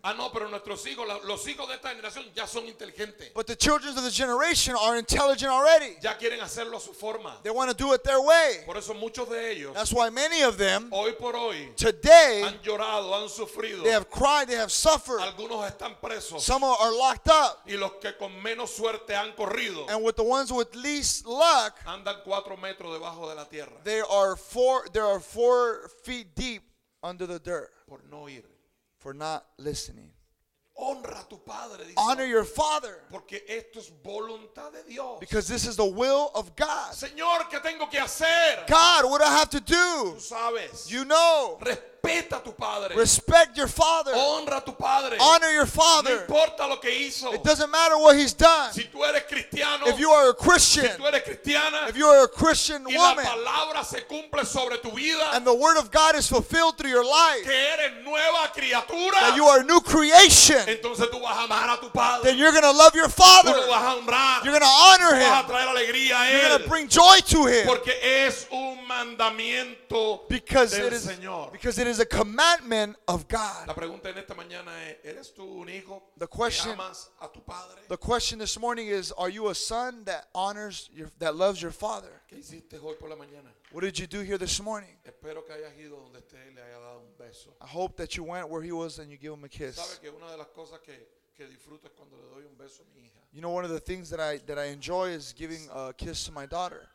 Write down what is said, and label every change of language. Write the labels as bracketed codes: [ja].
[es] Ah, no, pero nuestros hijos, los hijos de esta generación ya son inteligentes. [en] But the children of the generation are intelligent already. [es] Ya quieren hacerlo a su forma. [en] They want to do it their way. [es] Por eso muchos de ellos, [en] that's why many of them, [es] hoy por hoy, [en] today, [es] han llorado, han sufrido. [en] They have cried, they have suffered. [es] Algunos están presos. [en] Some are locked up. [es] Y los que con menos suerte han corrido, [en] and with the ones with least luck, [es] andan 4 metros debajo de la tierra. [en] They are four feet deep under the dirt. [es] Por no oír. [en] For not listening. [es] Honra a tu padre, dice. [en] Honor your father. [es] Porque esto es voluntad de Dios. [en] Because this is the will of God. [es] Señor, ¿qué tengo que hacer? [en] God, what do I have to do? [es] Tú sabes. [en] You know. [es] Respeta a tu padre. [en] Respect your father. [es] Honra a tu padre. [en] Honor your father. [es] No importa lo que hizo. [en] It doesn't matter what he's done. [es] Si tú eres cristiano, [en] if you are a Christian, [es] si tú eres cristiana, [en] if you are a Christian woman, [es] y la palabra se cumple sobre tu vida, [en] and the word of God is fulfilled through your life, [es] que eres nueva criatura, [en] that you are a new creation, [es] entonces tú vas a amar a tu padre. [en] Then you're going to love your father. [es] Tú lo vas a honrar. [en] You're going to honor [es] vas [en] him. [es] A traer alegría a [en] you're [es] él. [en] Going to bring joy to him. [es] Porque es un mandamiento [en] because [es] del [en] it is, [es] Señor. [en] Because it is a commandment of God. [es] La pregunta en esta mañana es, ¿eres tú un hijo? [en] The question, [es] ¿amas a tu padre? [en] The question this morning is, are you a son that honors your, that loves your father? [es] ¿Qué hiciste hoy por la mañana? [en] What did you do here this morning? [es] Espero que hayas ido donde esté y le haya dado un beso. [en] I hope that you went where he was and you gave him a kiss. [es] ¿Sabe que una de las cosas que disfruto es cuando le doy un beso a mi hija? [en] You know, one of the things that I enjoy is giving a kiss to my daughter.